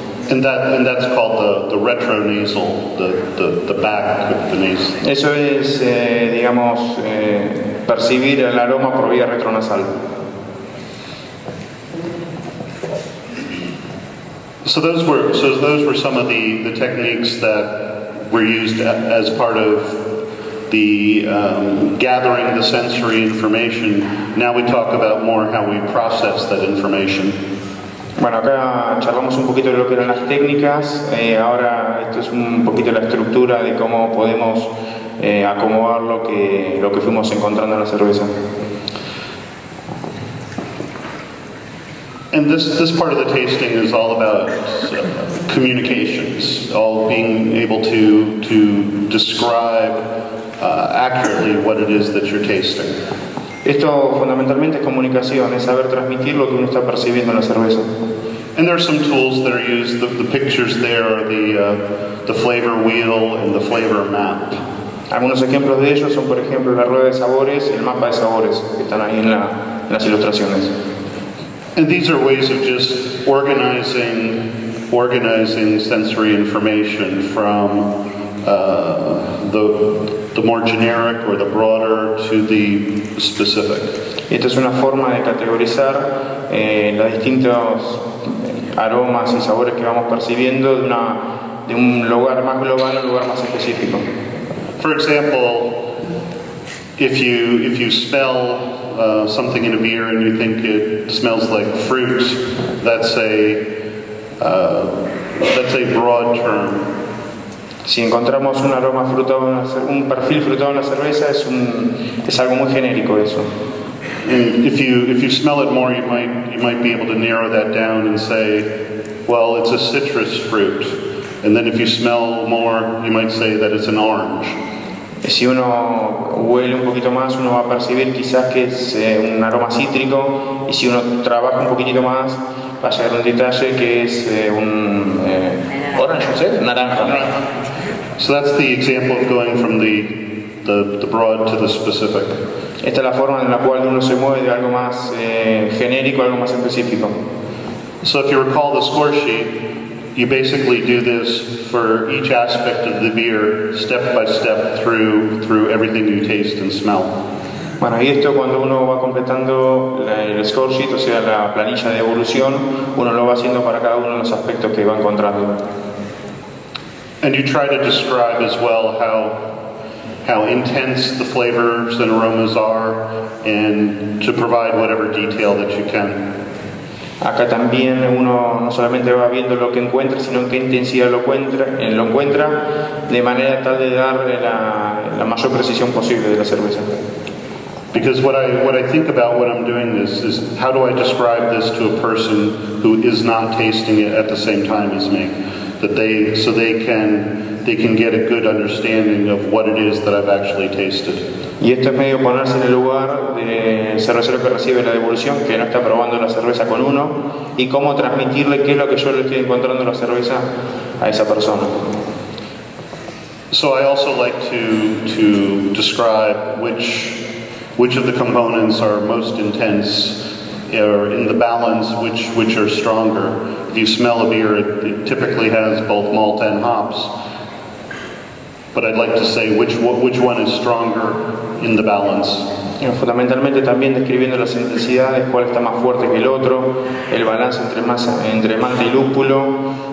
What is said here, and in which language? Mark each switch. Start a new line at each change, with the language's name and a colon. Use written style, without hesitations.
English: And that's called the retronasal, the back of the nose.
Spanish: Eso es, digamos, percibir el aroma por vía retronasal.
English: So those were some of the techniques that were used as part of the gathering the sensory information. Now we talk about more how we process that information.
Spanish: Bueno, acá charlamos un poquito de lo que eran las técnicas, ahora esto es un poquito la estructura de cómo podemos acomodar lo que fuimos encontrando en la cerveza.
English: And this part of the tasting is all about communications, all being able to describe accurately what it is that you're tasting.
Spanish: Esto fundamentalmente es comunicación, es saber transmitir lo que uno está percibiendo en la cerveza.
English: And there are some tools that are used. The pictures there are the flavor wheel and the flavor map.
Spanish: Algunos ejemplos de ellos son, por ejemplo, la rueda de sabores y el mapa de sabores que están ahí en las ilustraciones.
English: And these are ways of just organizing sensory information from the more generic or the broader to the specific.
Spanish: Esta es una forma de categorizar los distintos aromas y sabores que vamos percibiendo de un lugar más global a un lugar más específico.
English: For example, if you smell something in a beer and you think it smells like fruit, that's a broad term.
Spanish: Si encontramos un aroma frutado, un perfil frutado en la cerveza, es algo muy genérico eso.
English: And if you smell it more, you might be able to narrow that down and say, well, it's a citrus fruit. And then if you smell more, you might say that it's an orange.
Spanish: Si uno huele un poquito más, uno va a percibir quizás que es un aroma cítrico. Y si uno trabaja un poquitito más, va a llegar un detalle que es un orange, ¿sí? Naranja.
English: So that's the example of going from the broad to the specific.
Spanish: Esta es la forma en la cual uno se mueve de algo más genérico a algo más específico.
English: So if you recall the score sheet, you basically do this for each aspect of the beer, step by step, through everything you taste and smell.
Spanish: Bueno, y esto cuando uno va completando el score sheet, o sea, la planilla de evolución, uno lo va haciendo para cada uno de los aspectos que va encontrando.
English: And you try to describe as well how intense the flavors and aromas are, and to provide whatever detail that you can.
Spanish: Acá también uno no solamente va viendo lo que encuentra, sino en qué intensidad lo encuentra, de manera tal de dar la mayor precisión posible de la cerveza.
English: Because what I think about when I'm doing this is, how do I describe this to a person who is not tasting it at the same time as me, so they can get a good understanding of what it is that I've actually tasted.
Spanish: Y esto es medio ponerse en el lugar del cervecero que recibe la devolución, que no está probando la cerveza con uno, y cómo transmitirle qué es lo que yo le estoy encontrando en la cerveza a esa persona.
English: So I also like to describe which of the components are most intense, or in the balance, which are stronger. If you smell a beer, it typically has both malt and hops. But I'd like to say which one is stronger in the balance.
Spanish: Fundamentalmente también describiendo las intensidades, cuál está más fuerte que el otro, el balance entre malta y lúpulo.